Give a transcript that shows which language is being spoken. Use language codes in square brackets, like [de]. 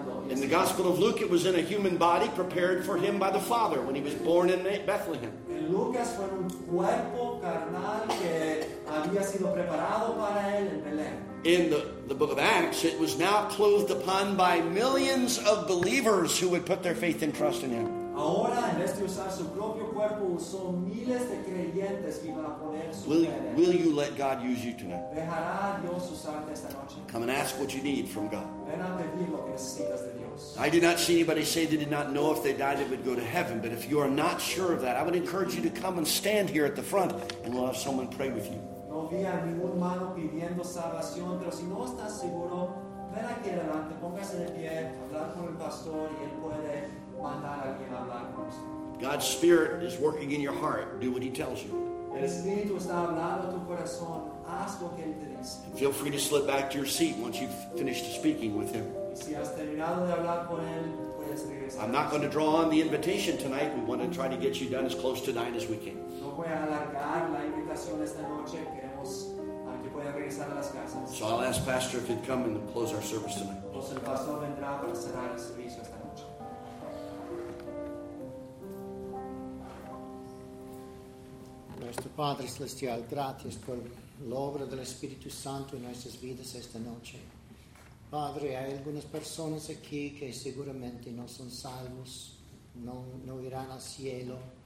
[en] In the Gospel of Luke, it was in a human body prepared for Him by the Father when He was born in Bethlehem. [es] Lucas fue un cuerpo carnal que había sido preparado para él en Belén. [en] In the book of Acts, it was now clothed upon by millions of believers who would put their faith and trust in Him. [es] Ahora, en vez de usar su propio cuerpo, usó miles de creyentes que iban a poner su [en] Will you let God use you tonight? [es] ¿Dejará Dios usarte esta noche? [en] Come and ask what you need from God. [es] Ven a pedir lo que necesitas de Dios. [en] I did not see anybody say they did not know if they died they would go to heaven, but if you are not sure of that, I would encourage you to come and stand here at the front and we'll have someone pray with you. [es] No vi a ningún mano pidiendo salvación, pero si no estás seguro, ven aquí adelante, póngase de pie, hablar con el pastor y él puede mandar a alguien a hablar con usted. [en] God's Spirit is working in your heart. Do what He tells you. [es] El Espíritu está hablando a tu corazón. Haz lo que Él te dice. [en] And feel free to slip back to your seat once you've finished speaking with Him. [es] Y si has terminado de hablar con Él, puedes regresar. [en] I'm not going to draw on the invitation tonight. We want to try to get you done as close to 9 as we can. [es] No voy a alargar la invitación esta noche. Queremos que pueda regresar a las casas. [en] So I'll ask Pastor if he'd come and close our service tonight. [es] Pues el pastor vendrá para cerrar el servicio esta noche. Nuestro Padre Celestial, gracias por la obra del Espíritu Santo en nuestras vidas esta noche. Padre, hay algunas personas aquí que seguramente no son salvos, no irán al cielo.